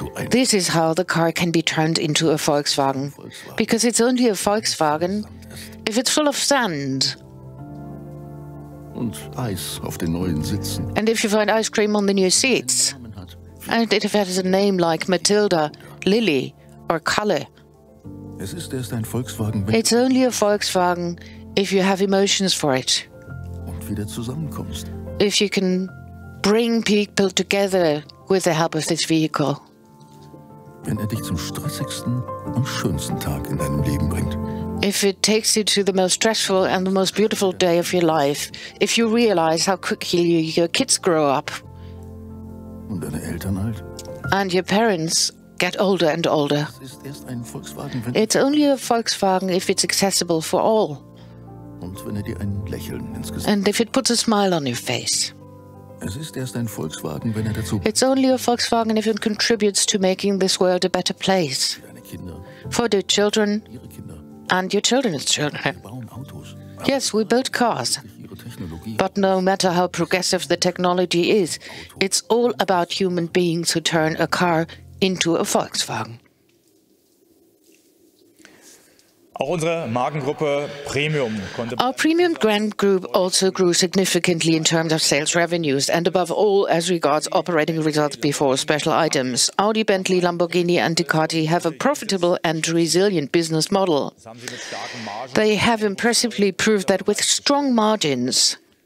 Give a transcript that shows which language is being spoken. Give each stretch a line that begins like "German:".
English: This is how the car can be turned into a Volkswagen, because it's only a Volkswagen if it's full of sand.
German: Und Eis auf den neuen Sitzen.
English: And if you find ice cream on the new seats, and if it has a name like Matilda, Lily or Kalle,
German: es ist erst ein Volkswagen,
English: it's only a Volkswagen if you have emotions for it.
German: Und wieder zusammenkommst.
English: If you can bring people together with the help of this vehicle.
German: Wenn dich zum stressigsten und schönsten Tag in deinem Leben bringt.
English: If it takes you to the most stressful and the most beautiful day of your life, if you realize how quickly your kids grow up
German: und deine Eltern alt.
English: And your parents get older and older,
German: ist erst ein Volkswagen,
English: wenn it's only a Volkswagen if it's accessible for all
German: und wenn dir ein Lächeln ins Gesicht
English: and if it puts a smile on your face.
German: Es ist erst ein Volkswagen, wenn dazu
English: it's only a Volkswagen if it contributes to making this world a better place for the children and your children's children. Yes, we build cars, but no matter how progressive the technology is, it's all about human beings who turn a car into a Volkswagen.
German: Auch unsere Markengruppe Premium konnte.
English: Our premium grand group also grew significantly in terms of sales revenues and above all as regards operating results before special items. Audi, Bentley, Lamborghini and Ducati have a profitable and resilient business model. They have impressively proved that with strong margins.